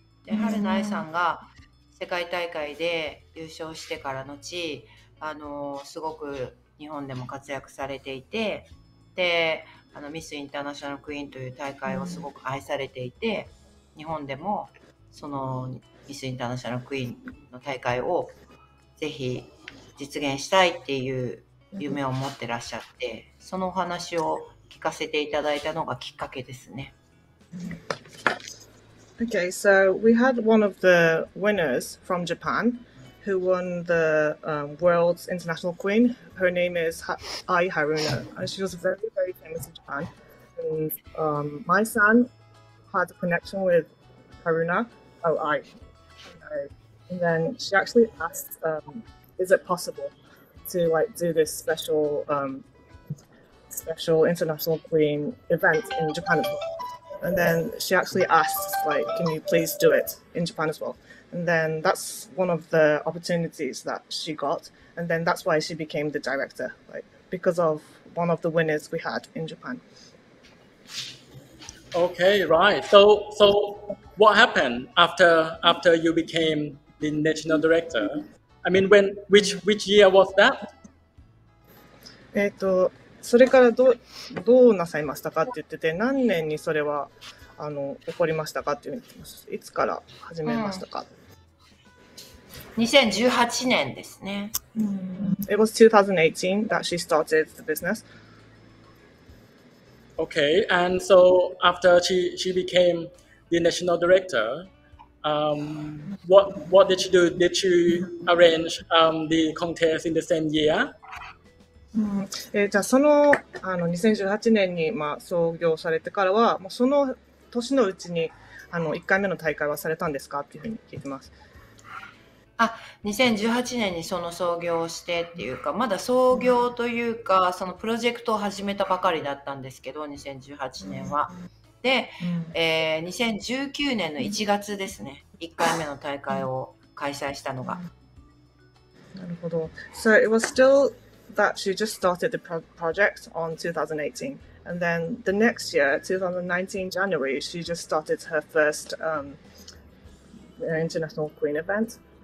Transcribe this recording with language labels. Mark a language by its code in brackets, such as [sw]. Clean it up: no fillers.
[ja] で、春奈さんが世界大会で優勝してから後すごく日本でも活躍されていて、でミスインターナショナルクイーンという大会をすごく愛されていて、日本でもそのミスインターナショナルクイーンの大会をぜひ実現したいっていう夢を持ってらっしゃって、そのお話を聞かせていただいたのがきっかけですね。 [en] Okay, so we had one of the winners from Japan who won the world's international queen. Her name is Ai Haruna, and she was very, very famous in Japan. And my son had a connection with Haruna. Oh, Ai. And then she actually asked, is it possible to like do this special, special international queen event in Japan? And then she actually asked, like, can you please do it in Japan as well? And then that's one of the opportunities that she got. And then that's why she became the director, like, because of one of the winners we had in Japan. Okay, right. So what happened after you became the national director? I mean, which year was that? [ja] それからどうなさいましたかって言ってて、何年にそれは起こりましたかって言ってます。いつから始めましたか。うん、 2018年ですね。 [en] It was 2018 that she started the business. Okay, and so after she became the national director, what did she do? Did she arrange the contest in the same year? [ja] じゃあその2018年にまあ創業されてからは、もうその年のうちに1回目の大会はされたんですかっていうふうに聞いてます。あ、2018年にその創業をしてっていうか、まだ創業というか、そのプロジェクトを始めたばかりだったんですけど、2018年は。で、2019年の1月ですね、1回目の大会を開催したのが。なるほど。 [en] So it was still that she just started the project on 2018. And then the next year, 2019 January, she just started her first international queen event.